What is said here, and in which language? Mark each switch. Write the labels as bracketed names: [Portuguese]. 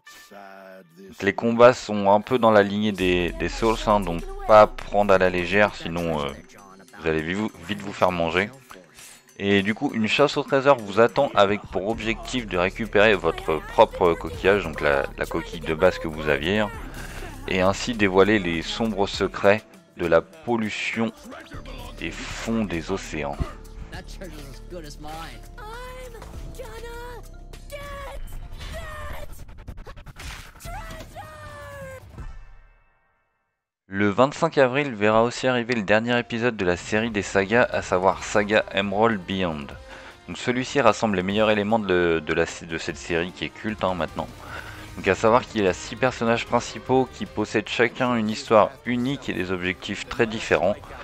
[French] Donc, les combats sont un peu dans la lignée des Souls, hein, donc pas à prendre à la légère sinon vous allez vite vous faire manger. Et du coup une chasse au trésor vous attend avec pour objectif de récupérer votre propre coquillage, donc la coquille de base que vous aviez. Hein. Et ainsi dévoiler les sombres secrets de la pollution des fonds des océans. [English] That treasure's as good as mine. I'm gonna get that treasure! [French] Le 25 avril verra aussi arriver le dernier épisode de la série des sagas, à savoir Saga Emerald Beyond. Donc celui-ci rassemble les meilleurs éléments de cette série qui est culte maintenant. Donc à savoir qu'il y a 6 personnages principaux qui possèdent chacun une histoire unique et des objectifs très différents.